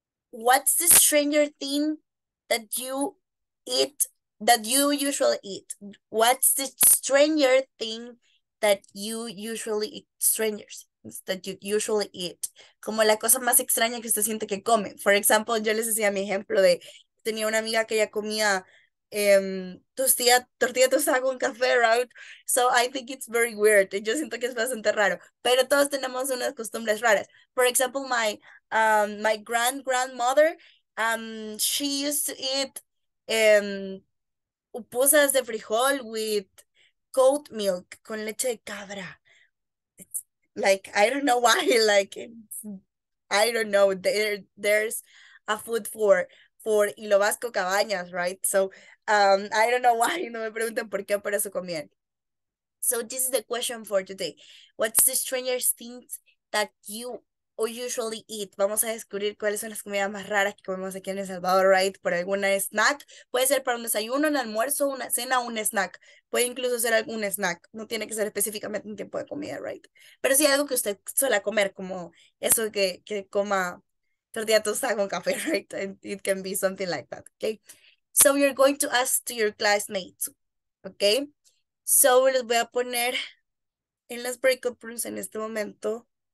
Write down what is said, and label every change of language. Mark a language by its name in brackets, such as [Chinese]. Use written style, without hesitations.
[English] What's the stranger thing that you eat, that you usually eat? What's the stranger thing that you usually eat, strangers, that you usually eat? [Spanish] Como la cosa más extraña que usted siente que come. [English] For example, [Spanish] yo les decía mi ejemplo de, tenía una amiga que ella comía tortilla tostada con café, right? [English] So I think it's very weird. [Spanish] Yo siento que es bastante raro. Pero todos tenemos unas costumbres raras. [English] For example, my my grandmother, she used to eat pupusas de frijol with goat milk, [Spanish] con leche de cabra. [English] It's like, I don't know why, like, I don't know, there's a food for Ilo Vasco Cabañas, right? So, I don't know why, [Spanish] no me pregunten por qué, pero eso comían. [English] So, this is the question for today. What's the strangest thing that you usually eat? [Spanish] Vamos a descubrir cuáles son las comidas más raras que comemos aquí en El Salvador, right? Por alguna snack. Puede ser para un desayuno, un almuerzo, una cena, un snack. Puede incluso ser algún snack. No tiene que ser específicamente un tiempo de comida, right? Pero sí algo que usted suele comer, como eso que coma tortilla tostada con café, right? [English] And it can be something like that, okay? So you're going to ask to your classmates, okay? [Spanish] So les voy a poner en las breakout rooms en este momento.